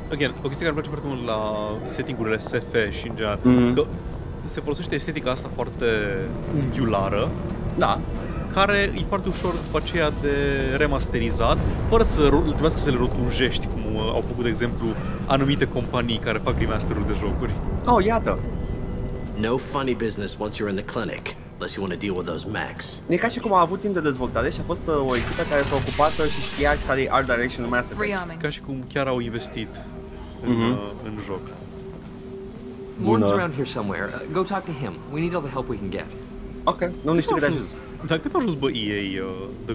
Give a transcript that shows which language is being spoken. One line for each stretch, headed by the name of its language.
Romanian: Again, o chestie care îmi place foarte mult la setting-urile SF și în general, că se folosește estetica asta foarte unghiulară. Da. Care e foarte ușor după aceea de remasterizat, fără să trebuiască să le rotunjești, cum au făcut, de exemplu, anumite companii care fac remasterul de jocuri. Oh, iată.
English: No funny business once you're in the clinic. Unless you want to deal with those mechs.
Romanian: E ca și cum a avut timp de dezvoltare și a fost o echipă care s-a ocupat și știa care e art direction în Mass Effect. Ca și cum chiar au investit în joc.
English: Morden's around here somewhere. Go talk to him. We need all the help we can get.
Romanian: Ok, nu niște greșe. Dar cât a ajuns, bă, EA, The